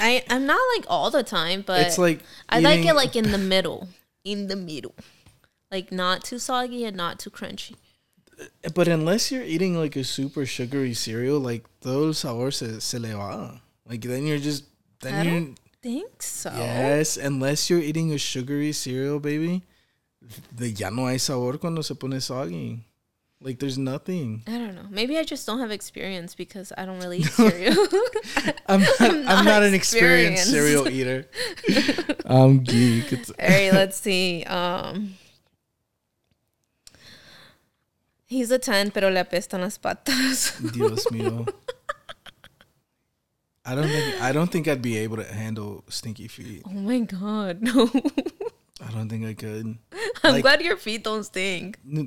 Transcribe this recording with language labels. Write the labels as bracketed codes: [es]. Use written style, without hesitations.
[en] I'm not like all the time, but... It's like... I like it like in the middle. In the middle. Like not too soggy and not too crunchy. But unless you're eating like a super sugary cereal, like those [es] sabor se le va. [en] Like then you're just... I don't think so. Yes, unless you're eating a sugary cereal, baby... [es] The ya no hay sabor cuando se pone soggy. [en] Like, there's nothing. I don't know. Maybe I just don't have experience because I don't really eat cereal. I'm not an experienced cereal eater. I'm geek. It's all right, let's see. He's a 10, [es] pero le apestan las patas. Dios mío. [en] I don't think I'd be able to handle stinky feet. Oh, my God. No. I don't think I could. I'm like, glad your feet don't stink.